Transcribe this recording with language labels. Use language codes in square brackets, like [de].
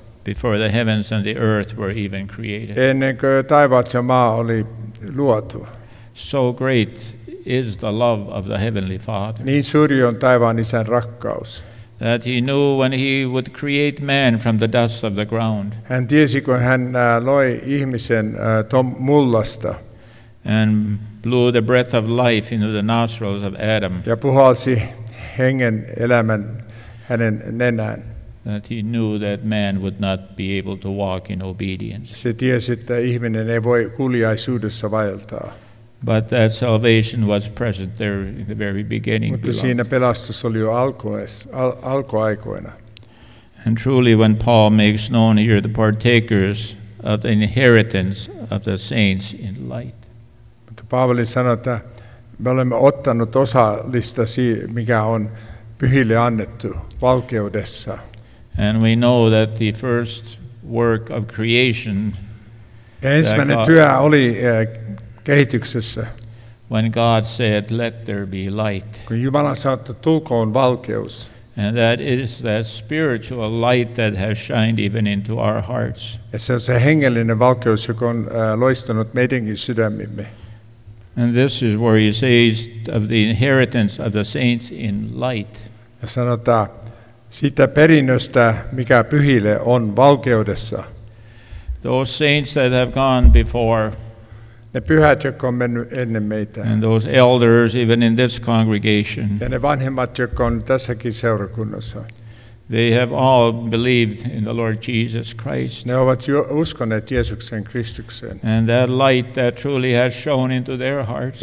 [en] Before the heavens and the earth were even created. [fi] Ennen kuin taivaat ja maa oli luotu. [en] So great is the love of the Heavenly Father. [fi] Niin suuri on taivaan Isän rakkaus. [en] That he knew when he would create man from the dust of the ground. [fi] Hän tiesi, kun hän loi ihmisen mullasta. [en] And blew the breath of life into the nostrils of Adam. [fi] Ja puhalsi hengen elämän hänen nenään. [en] That he knew that man would not be able to walk in obedience. [fi] Se tiesi, että ihminen ei voi kuuliaisuudessa vaeltaa. [en] But that salvation was present there in the very beginning. [fi] Mutta siinä pelastus oli jo alkuaikoina. [en] And truly when Paul makes known here the partakers of the inheritance of the saints in light. [fi] Mutta Paavali sanoi, että me olemme ottanut osallista siihen, mikä on pyhille annettu valkeudessa. [en] And we know that the first work of creation. [fi] Ensimmäinen työ oli kehityksessä. [en] When God said, "Let there be light." [fi] Kun Jumala sanoi, että tulkoon valkeus. [en] And that is that spiritual light that has shined even into our hearts. [fi] Ja se on se hengellinen valkeus, joka on loistanut meidänkin sydämimme. [en] And this is where he says of the inheritance of the saints in light. [fi] Ja sanotaan siitä perinnöstä, mikä pyhille on valkeudessa. [en] Those saints that have gone before. [fi] Ne pyhät, jotka on mennyt ennen meitä. [en] And those elders, even in this congregation. [fi] Ja ne vanhemmat, jotka on tässäkin seurakunnassa. [en] They have all believed in the Lord Jesus Christ. [fi] Ne ovat uskoneet Jeesuksen Kristukseen. [en] And that light that truly has shone into their hearts.